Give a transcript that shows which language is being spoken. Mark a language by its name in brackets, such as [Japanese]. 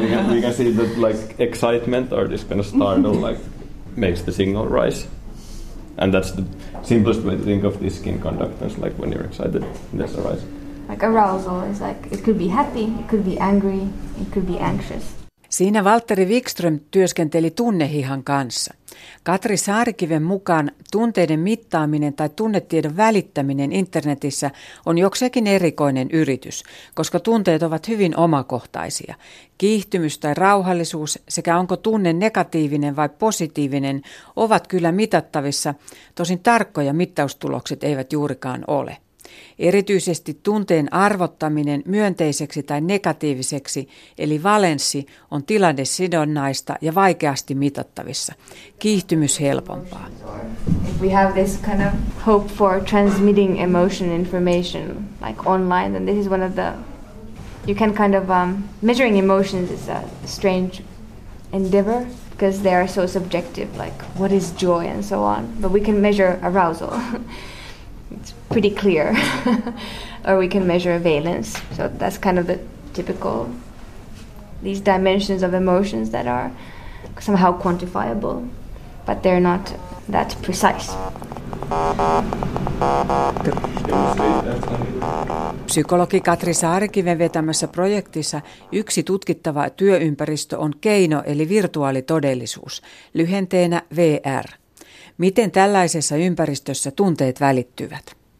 [English] We can see that like excitement or this kind of startle like makes the signal rise. And that's the simplest way to think of this skin conductance, like when you're excited, there's a rise. Like arousal is like, it could be happy, it could be angry, it could be anxious. [Finnish] Siinä Valtteri Wikström työskenteli tunnehihan kanssa. Katri Saarikiven mukaan tunteiden mittaaminen tai tunnetiedon välittäminen internetissä on jokseenkin erikoinen yritys, koska tunteet ovat hyvin omakohtaisia. Kiihtymys tai rauhallisuus sekä onko tunne negatiivinen vai positiivinen ovat kyllä mitattavissa, tosin tarkkoja mittaustulokset eivät juurikaan ole. Erityisesti tunteen arvottaminen myönteiseksi tai negatiiviseksi, eli valenssi, on tilannesidonnaista ja vaikeasti mitattavissa. Kiihtymys helpompaa. [English] If we have this kind of hope for transmitting emotion information like online, then this is one of the you can kind of measuring emotions is a strange endeavor because they are so subjective, like what is joy and so on. But we can measure arousal. It's pretty clear. Or we can measure valence. So that's kind of the typical these dimensions of emotions that are somehow quantifiable, but they're not that precise. [Finnish] Psykologi Katri Saarikiven vetämässä projektissa yksi tutkittava työympäristö on keino- eli virtuaalitodellisuus, lyhenteenä VR. Miten tällaisessa ympäristössä tunteet välittyvät?